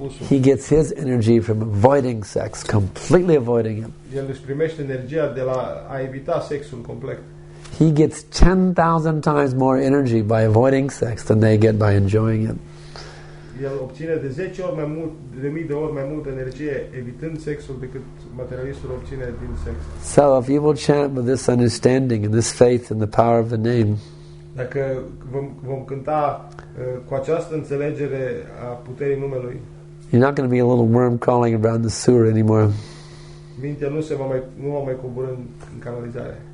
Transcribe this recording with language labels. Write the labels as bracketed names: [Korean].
[English] He gets his energy from avoiding sex, completely avoiding it. He gets 10,000 times more energy by avoiding sex than they get by enjoying it. [Romanian] el obține de 10 ori mai mult, de mii de ori mai multă energie evitând sexul decât materialistul obține din sex. [English] So if you will chant with this understanding and this faith in the power of the name. [Romanian] Dacă vom cânta cu această înțelegere a puterii numelui. [English] You're not going to be a little worm crawling around the sewer anymore. [Romanian] Mintea nu se va mai cobor în canalizare.